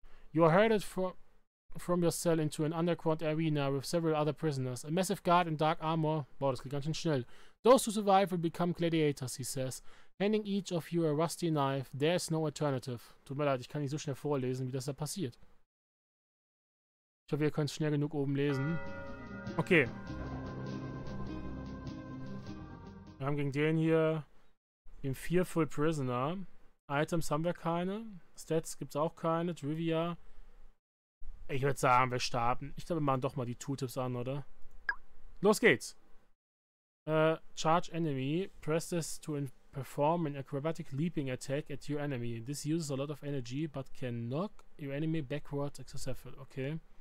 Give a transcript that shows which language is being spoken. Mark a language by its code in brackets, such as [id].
[en] You are herded from your cell into an underground arena with several other prisoners. A massive guard in dark armor. [de] Wow, das geht ganz schön schnell. [en] Those who survive will become gladiators, he says. Handing each of you a rusty knife, there is no alternative. [de] Tut mir leid, ich kann nicht so schnell vorlesen, wie das da passiert. Ich hoffe, ihr könnt es schnell genug oben lesen. Okay. Wir haben gegen den hier den Fearful Prisoner. Items haben wir keine. Stats gibt es auch keine. Trivia. Ich würde sagen, wir starten. Ich glaube, wir machen doch mal die Tooltips an, oder? Los geht's! [en] Charge enemy. Press this to perform an acrobatic leaping attack at your enemy. This uses a lot of energy, but can knock your enemy backwards successfully. Okay.